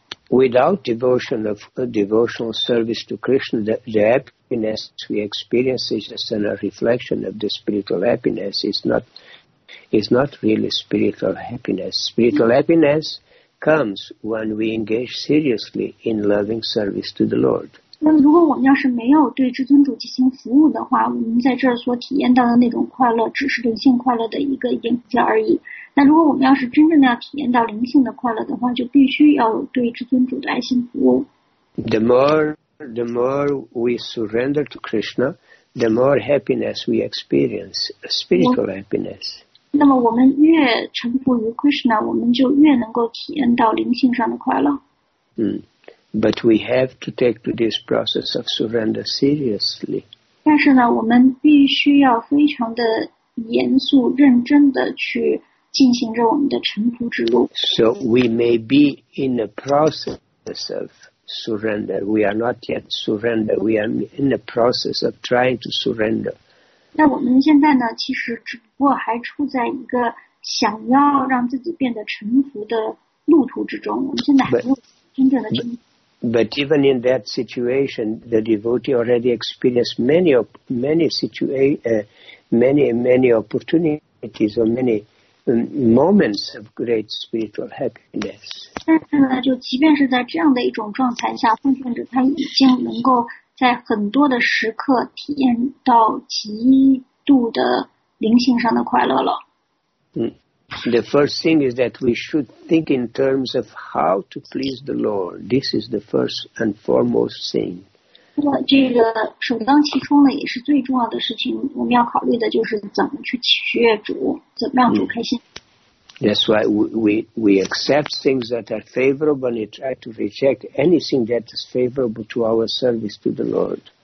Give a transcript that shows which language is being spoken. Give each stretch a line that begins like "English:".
English: Without devotional service to Krishna, the happiness we experience is just a reflection of the spiritual happiness. It's not really spiritual happiness. Spiritual happiness comes when we engage seriously in loving service to the Lord.
Chinese: 那么如果我们要是没有对至尊主进行服务的话，我们在这儿所体验到的那种快乐只是灵性快乐的一个影子而已。那如果我们要是真正的要体验到灵性的快乐的话，就必须要对至尊主的爱心服务。
English: The more we surrender to Krishna, the more happiness we experience, spiritual happiness.
Chinese: 那么我们越臣服于 Krishna, 我们就越能够体验到灵性上的快乐。
English: But we have to take to this process of surrender seriously.
Chinese: 但是呢，我们必须要非常的严肃、认真的去进行着我们的臣服之路。
English: So we may be in the process of surrender. We are not yet surrender. We are in the process of trying to surrender.
Chinese: 那我们现在呢，其实只不过还处在一个想要让自己变得臣服的路途之中。我们现在还没有真正的臣服。
English: But even in that situation, the devotee already experienced many opportunities or many moments of great spiritual happiness.
Chinese: 但是呢，就即便是在这样的一种状态下，奉献者他已经能够在很多的时刻体验到极度的灵性上的快乐了。
English: The first thing is that we should think in terms of how to please the Lord. This is the first and foremost thing.
Chinese: 这个首当其冲的也是最重要的事情，我们要考虑的就是怎么去取悦主，怎么让主开心。
English: That's why we accept things that are favorable and we try to reject anything that is favorable to our service to the Lord.